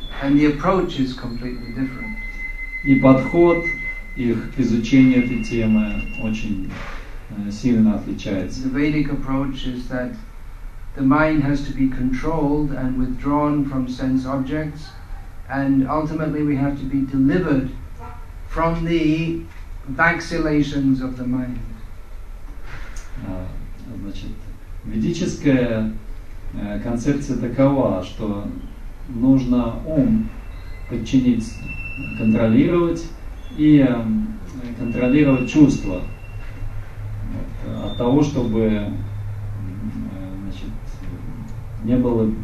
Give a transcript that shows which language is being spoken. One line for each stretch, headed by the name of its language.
English: And the approach is completely different.
Russian: И подход их к изучению этой темы очень сильно отличается.
English: The Vedic approach is that the mind has to be controlled and withdrawn from sense objects, and ultimately we have to be delivered from the vacillations of the mind.
Russian: Значит, ведическая концепция такова, что нужно ум подчинить, контролировать, и контролировать чувства, вот, от того, чтобы значит, не было...